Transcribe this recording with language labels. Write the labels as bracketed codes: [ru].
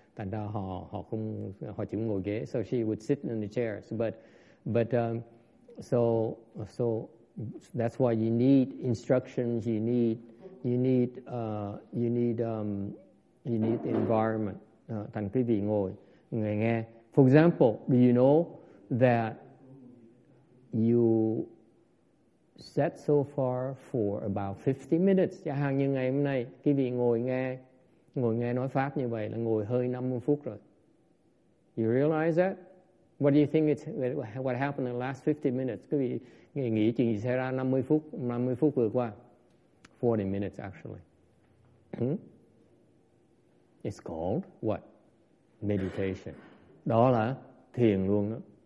[vi] Thành ra họ họ không họ chỉ ngồi ghế. [en] So she would sit in the chairs. But that's why you need instructions. You need the environment. [vi] Thành quý vị ngồi, người nghe. [en] For example, do you know that you sat so far for about 50 minutes? [vi] Chẳng hạn như ngày hôm nay, quý vị ngồi nghe nói pháp như vậy là ngồi hơi 50 phút rồi. [en] You realize that? What do you think it's what happened in the last 50 minutes? [vi] Quý vị nghĩ chuyện gì xảy ra 50 phút vừa qua? [en] 40 minutes actually. It's called what? Meditation. [vi] Đó là thiền luôn đó.